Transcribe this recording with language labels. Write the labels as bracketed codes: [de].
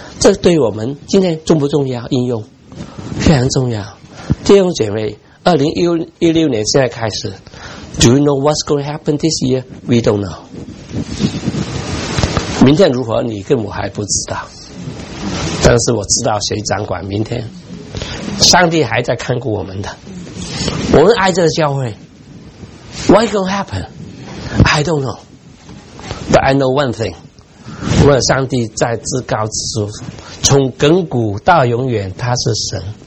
[zh] 这对我们今天重不重要？应用非常重要。弟兄姐妹，2016年现在开始， [en] Do you know what's going to happen this year? We don't know. [zh] 明天如何你跟我还不知道，但是我知道谁掌管明天。上帝还在看顾我们的，我们爱这个教会。 [en] What's going to happen? I don't know. But I know one thing， [zh] 我们上帝在至高之处，从亘古到永远他是神。